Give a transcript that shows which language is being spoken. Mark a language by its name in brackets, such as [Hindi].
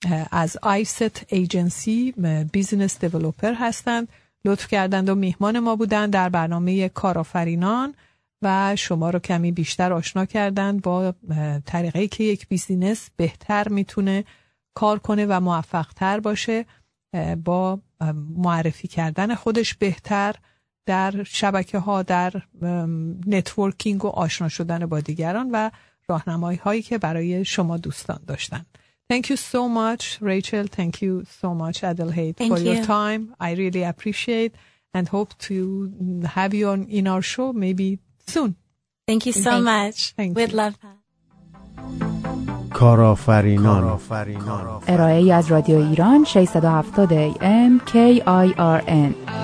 [Persian] از آیست ایجنسی بیزینس دیولوپر هستند، لطف کردند و میهمان ما بودند در برنامه کارآفرینان و شما رو کمی بیشتر آشنا کردند با طریقه‌ای که یک بیزینس بهتر میتونه کار کنه و موفق تر باشه با معرفی کردن خودش بهتر در شبکه ها، در نتورکینگ و آشنا شدن با دیگران و راهنمایی هایی که برای شما دوستان داشتن. [English] Thank you so much, Rachel. Thank you so much, Adelheid, for your time. I really appreciate and hope to have you in our show maybe soon. Thank you so much. We'd love that. [Persian] کارآفرینان ارائه از رادیو ایران 670 AM KIRN